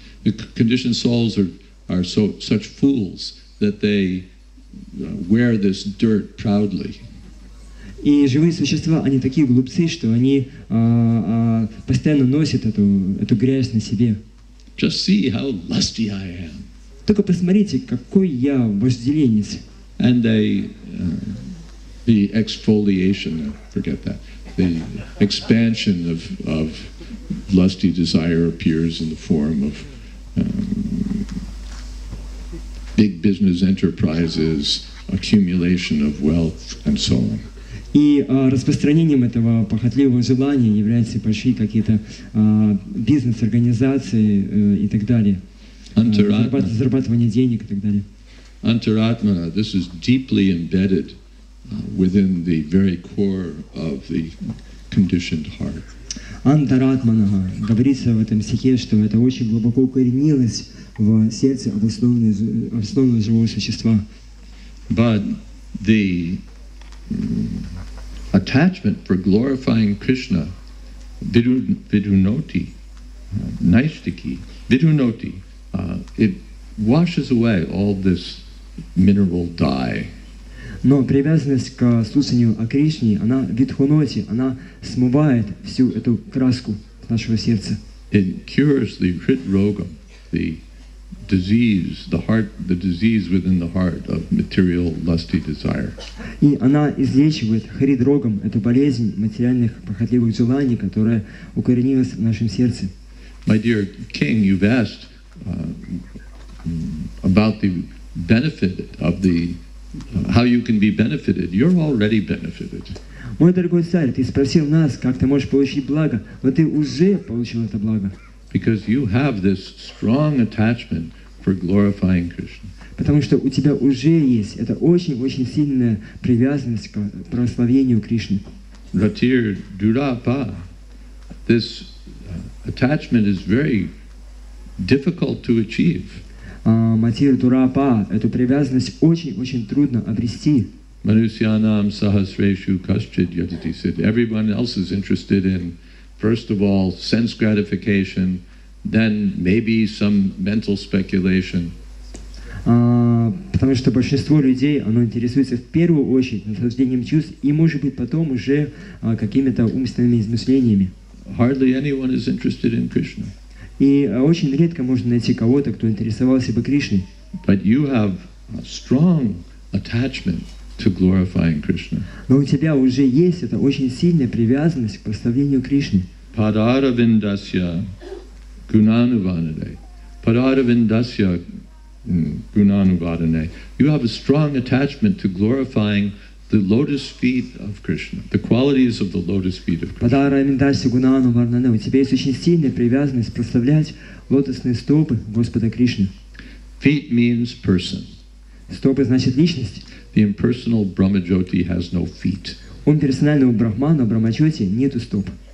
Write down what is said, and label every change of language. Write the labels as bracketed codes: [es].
[en] The conditioned souls are so such fools that they wear this dirt proudly. [ru] И живые существа, они такие глупцы, что они постоянно носят эту грязь на себе. [en] Just see how lusty I am. [ru] Только посмотрите, какой я вожделенец. [en] And they, the exfoliation, forget that, the expansion of lusty desire appears in the form of big business enterprises, accumulation of wealth, and so on. [ru] И распространением этого похотливого желания являются большие какие-то бизнес-организации и так далее. Зарабатывание денег и так далее. [en] Антаратмана, this is deeply embedded within the very core of the conditioned heart. [ru] Антаратмана, говорится в этом стихе, что это очень глубоко укоренилось в сердце обусловленного живого существа. [en] But the attachment for glorifying Krishna, vidunoti, naishtiki, vidunoti, it washes away all this mineral dye. [ru] Но привязанность к слушанию о Кришне, она vidunoti, она смывает всю эту краску нашего сердца. [en] It cures the hrit-rogam, the disease, the heart, the disease within the heart of material lusty desire. [ru] И она излечивает хридрогам эту болезнь материальных похотливых желаний, которая укоренилась в нашем сердце. [en] My dear king, you've asked about the benefit of the how you can be benefited. You're already benefited. [ru] Мой дорогой царь, ты спросил нас, как ты можешь получить благо, но ты уже получил это благо. [en] Because you have this strong attachment for glorifying Krishna. [ru] Потому что у тебя уже есть это очень-очень сильная привязанность к прославлению Кришны. [sa] Ratir durapa. [en] This attachment is very difficult to achieve. [sa] Matir durapa. [ru] Эту привязанность очень-очень трудно обрести. [sa] Manusyanam sahasreshu kaschid yadati siddhi. [en] Everyone else is interested in, first of all, sense gratification, then maybe some mental speculation. [ru] Потому что большинство людей, оно интересуется в первую очередь наслаждением чувств и, может быть, потом уже какими-то умственными измышлениями. [en] Hardly anyone is interested in Krishna. [ru] И очень редко можно найти кого-то, кто интересовался бы Кришной. [en] But you have a strong attachment to glorifying Krishna. [ru] Но у тебя уже есть эта очень сильная привязанность к прославлению Кришны. [sa] Падаравиндасья гунануваданэ. Падаравиндасья гунануваданэ. [en] You have a strong attachment to glorifying The lotus feet of Krishna, the qualities of the lotus feet of Krishna. [ru] Подара Миндаси Гунану Варнане, у тебя есть очень сильная привязанность прославлять лотосные стопы Господа Кришны. [en] Feet means person. [ru] Стопы значит личность. [en] The impersonal Brahmajyoti has no feet. [ru] У персонального Брахмана Брахмаджоти нету стоп.